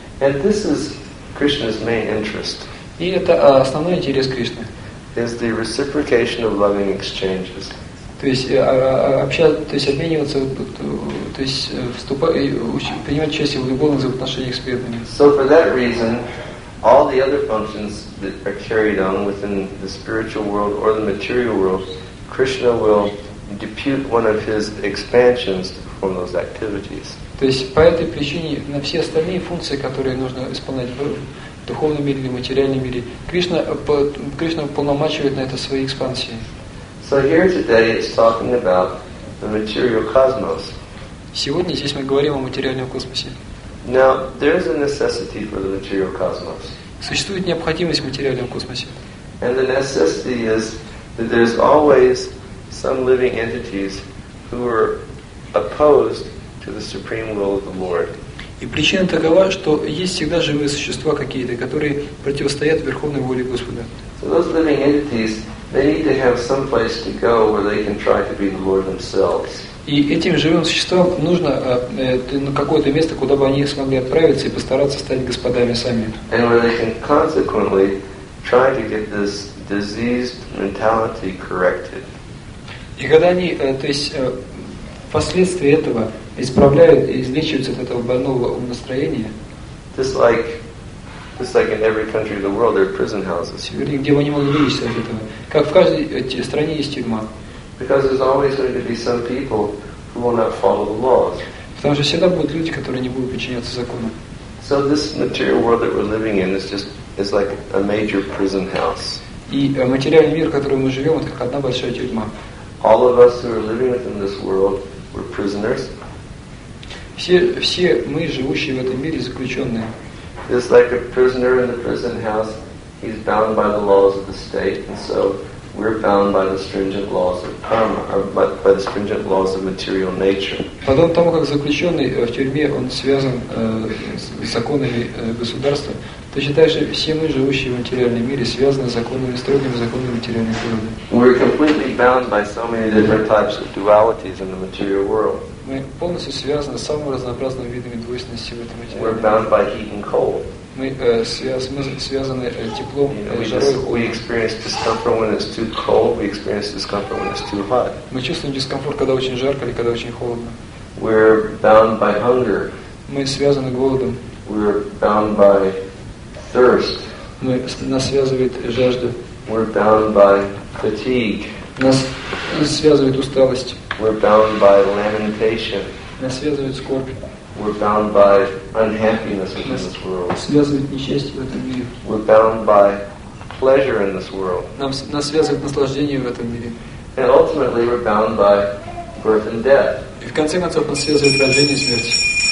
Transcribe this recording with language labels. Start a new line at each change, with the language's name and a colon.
English: And this is Krishna's main interest.
Russian: И это основной интерес Кришны.
English: Is the reciprocation of loving exchanges.
Russian: То есть обмениваться, то есть принимать участие в любовных взаимоотношениях с преданными.
English: So for that reason, all the other functions that are carried on within the spiritual world or the material world, Krishna will depute one of his expansions to perform those activities.
Russian: То есть по этой причине на все остальные функции, которые нужно исполнять в духовном мире или материальном мире, Кришна уполномачивает на это свои экспансии.
English: So here today it's talking about the material cosmos.
Russian: Сегодня здесь мы говорим о материальном космосе.
English: Now, there is a necessity for the material cosmos.
Russian: Существует необходимость в материальном космосе.
English: And the necessity is that there's always some living entities who are opposed to the supreme will of the Lord.
Russian: И причина такова, что есть всегда живые существа какие-то, которые противостоят верховной воле Господа.
English: So those living entities, they need to have some place to go where they can try to be the Lord themselves.
Russian: И этим живым существам нужно какое-то место, куда бы они смогли отправиться и постараться стать господами сами.
English: And where they can consequently try to get this diseased mentality corrected.
Russian: И когда они, то есть, впоследствии этого исправляют и излечиваются от этого больного умонастроения.
English: Just like in every country of the world, there are prison houses.
Russian: Где бы они могли вылечиться от этого? Как в каждой стране есть тюрьма.
English: Because there's always going to be some people who will not follow the laws.
Russian: Потому что всегда будут люди, которые не будут подчиняться закону.
English: So this material world that we're living in is like a major prison house.
Russian: И материальный мир, в котором мы живем, это как одна большая тюрьма.
English: All of us who are living within this world were prisoners.
Russian: Все мы, живущие в этом мире, заключенные.
English: It's like a prisoner in the prison house. He's bound by the laws of the state, and so we're bound by the stringent laws of karma, or by the stringent laws of material nature.
Russian: Потом того, как заключенный в тюрьме, он связан с законами государства. То считаешь, все мы, живущие в материальном мире, связаны законами, строгими законами материальной природы.
English: We're completely bound by so many different types of dualities in the material world.
Russian: Мы полностью связаны с самыми разнообразными видами двойственности в этом материальном мире.
English: We're bound by heat and cold.
Russian: Мы связаны теплом, жарой.
English: We experience discomfort when it's too cold. We experience discomfort when it's too hot.
Russian: Мы чувствуем дискомфорт, когда очень жарко или когда очень холодно.
English: We're bound by hunger.
Russian: Мы связаны голодом.
English: We're bound by thirst.
Russian: Нас связывает жажда.
English: We're bound by fatigue.
Russian: Нас связывает усталость.
English: We're bound by lamentation.
Russian: Нас связывает скорбь.
English: We're bound by unhappiness in this world.
Russian: Связывает несчастье в этом мире.
English: We're bound by pleasure in this world.
Russian: Нас связывает наслаждение в этом мире.
English: And ultimately, we're bound by birth and death.
Russian: И в конце концов нас связывает рождение и смерть.